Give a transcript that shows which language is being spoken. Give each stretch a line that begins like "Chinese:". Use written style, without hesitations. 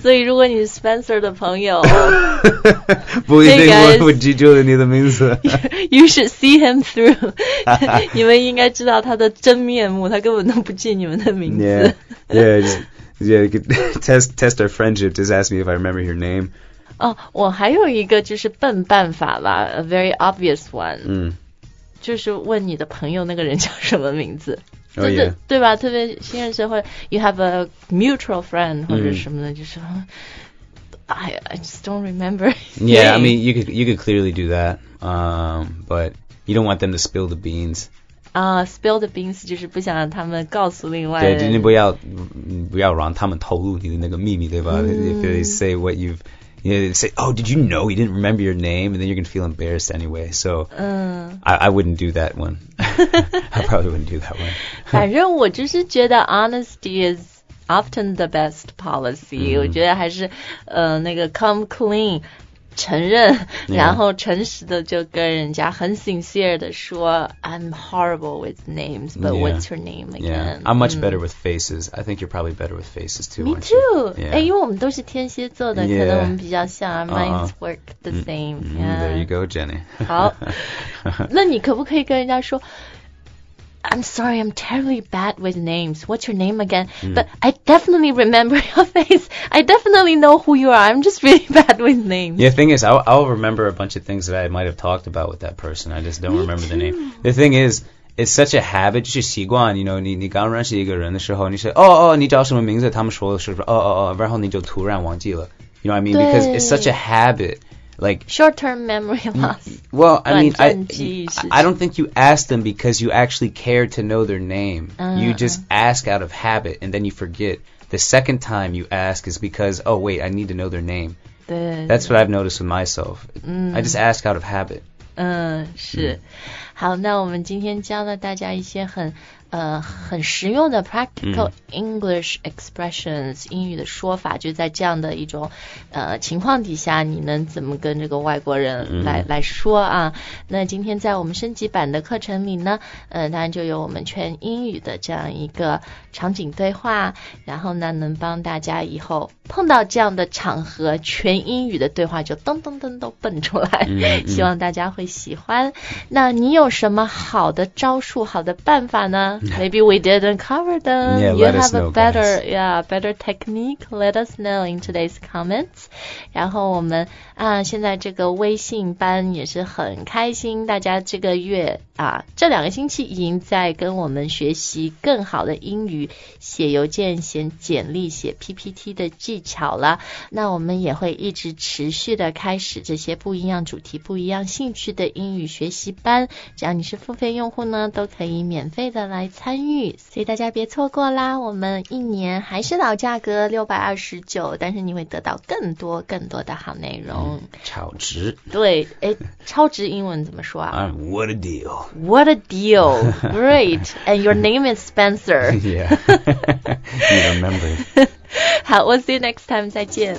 English: So if you're Spencer's friend, believe me, what would you do with your name? You should see him through. You should know his real name. He doesn't even know your name. Yeah, yeah. Yeah, you could test our friendship. Just ask me if I remember your name.
Chinese: Oh, 我还有一个就是笨办法啦
English: a very obvious one.
Chinese: 就是问你的朋友那个人叫什么名字。
English: Oh, yeah.
Chinese: 对吧？特别新认识或者
English: you have a mutual friend
Chinese: 或者什么的，就是
English: I just don't remember. Yeah, I mean, you could clearly do that. But you don't want them to spill the beans. Spill the beans
Chinese: 就是不想让他们告诉另外人。对，你不要让他们透露你的那个秘密，对吧？
English: If they say what you've, You know, say, oh, did you know he didn't remember your name? And then you're going to feel embarrassed anyway. So I wouldn't do that one. I probably wouldn't do that one.
Chinese: 反正我就是觉得
English: honesty is often the best policy.、Mm-hmm.
Chinese: 我觉得还是、那个
English: come clean,
Chinese: 承认、yeah. 然后诚实的就跟人家很 sincere 的说
English: I'm horrible with names, but、
Chinese: yeah.
English: what's your name again?、 Yeah. I'm much、mm. better with faces. I think you're probably better with faces too, aren't you? Me too.、
Chinese: Yeah. 哎、因为我们都是天蝎座的、yeah. 可能我们比较像
English: our minds、
Chinese: uh-huh.
English: work the same.、Mm-hmm. Yeah. There you go, Jenny.
Chinese: 好那你可不可以跟人家说
English: I'm sorry, I'm terribly bad with names. What's your name again?、Mm. But I definitely remember your face. I definitely know who you are. I'm just really bad with names. Yeah, the thing is, I'll remember a bunch of things that I might have talked about with that person. I just don't、 Me、 remember、 too. The name. The thing is, it's such a habit,
Chinese: 就是习惯
English: you know,
Chinese: 你刚认识一个人的时候你说哦哦你叫什么名字他们说的是哦哦哦然后你就突然忘记了
English: You know what I mean? Because it's such a habit. Like, short-term memory loss. Well, I mean, I don't think you ask them because you actually care to know their name. You just ask out of habit and then you forget. The second time you ask is because, oh, wait, I need to know their name. That's what I've noticed with myself.、Mm. I just ask out of habit.
Chinese: 是、mm. 好那我们今天教了大家一些很很实用的 practical、mm.
English: English expressions
Chinese: 英语的说法就在这样的一种情况底下你能怎么跟这个外国人来、mm. 来说啊那今天在我们升级版的课程里呢当然就有我们全英语的这样一个场景对话然后呢能帮大家以后碰到这样的场合全英语的对话就噔噔噔都蹦出来、mm. 希望大家会喜欢那你有什么好的招数好的办法呢
English: Maybe we didn't cover them. Yeah, you have know, a better,、 guys. yeah, better technique. Let us know in today's comments.
Chinese: 然后我们啊、现在这个微信班也是很开心，大家这个月啊，这两个星期已经在跟我们学习更好的英语写邮件、写简历、写 PPT 的技巧了。那我们也会一直持续的开始这些不一样主题、不一样兴趣的英语学习班。只要你是付费用户呢，都可以免费的。来参与所以大家别错过啦我们一年还是老价格629但是你会得到更多更多的好内容、嗯、超值对诶超值英文怎么说啊、
English: what a deal what a deal great and your name is Spencer yeah you remember 好 we'll see you next time
Chinese: 再见